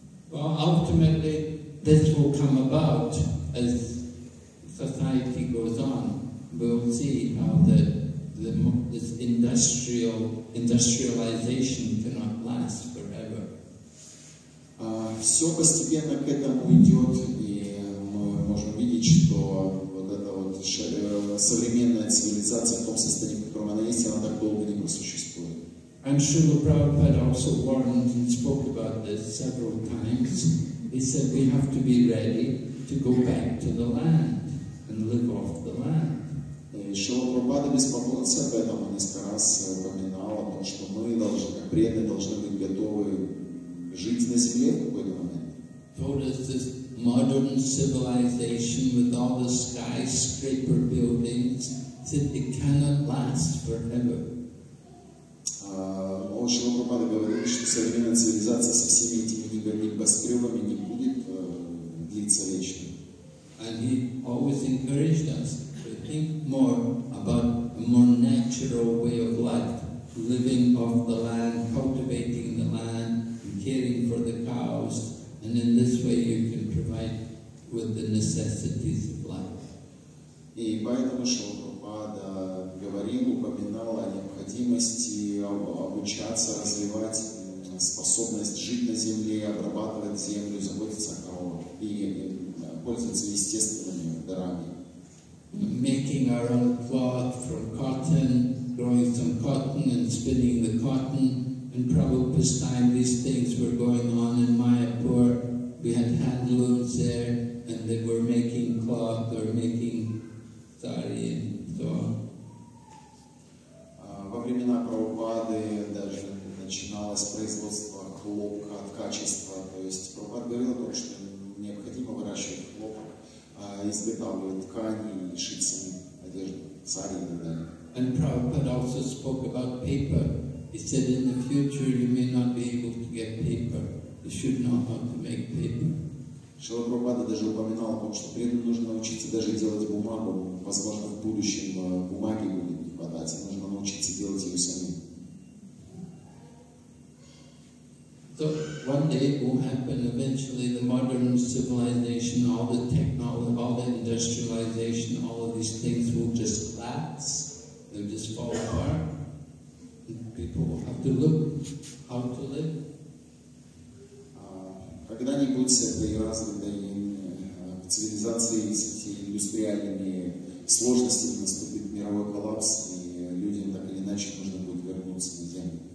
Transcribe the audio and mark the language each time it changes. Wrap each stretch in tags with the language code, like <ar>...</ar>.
<en>Well, ultimately, this will come about as society goes on. We'll see how this industrialization cannot last forever.</en> <ru>Все постепенно к этому идет, и мы можем видеть, что вот эта вот современная цивилизация в том состоянии, в котором она есть, она так долго не просуществует.</ru> <en>I'm sure Prabhupada also warned and spoke about this several times. He said we have to be ready to go back to the land and live off the land.</en> <ru>Шрила Прабхупада беспокоился об этом, он несколько раз упоминал о том, что мы должны, как преданные, должны быть готовы жить на земле в какой-то момент.</ru> <en>Told us this modern civilization with all the skyscraper buildings said it cannot last forever.</en> <ru>Шрила Прабхупада говорил, что современная цивилизация со всеми этими небоскребами не будет длиться вечно.</ru> <en>And he always encouraged us. Think more about a more natural way of life, living off the land, cultivating the land, caring for the cows, and in this way you can provide with the necessities of life.</en> <ru>И поэтому Шрила говорил, упоминал о необходимости обучаться, развивать способность жить на земле, обрабатывать землю, заботиться о коровах и пользоваться естественными дарами.</ru> <en>Making our own cloth from cotton, growing some cotton and spinning the cotton. In Prabhupada's time, these things were going on in Mayapur. We had handlooms there, and they were making cloth or making sari and so on.</en> <ru>Во времена Прабхупады даже начиналось производство хлопка от качества. То есть Прабхупада говорил о том, что необходимо выращивать хлопок. Изготавливают ткани и шить сами одежду, сари и так далее.</ru> <en>And Prabhupada also spoke about paper. He said, in the future you may not be able to get paper. You should know how to make paper.</en> <ru>Шрила Прабхупада даже упоминал о том, что преданным нужно научиться даже делать бумагу. Возможно, в будущем бумаги будет не хватать, и нужно научиться делать ее самим.</ru> <en>So one day it will happen, eventually the modern civilization, all the technology, all the industrialization, all of these things will just collapse, they'll just fall apart, and people will have to look how to live.</en> <ru>Когда-нибудь этой развитой цивилизации с этими индустриальными сложностями наступит мировой коллапс, и людям так или иначе нужно будет вернуться на Землю.</ru>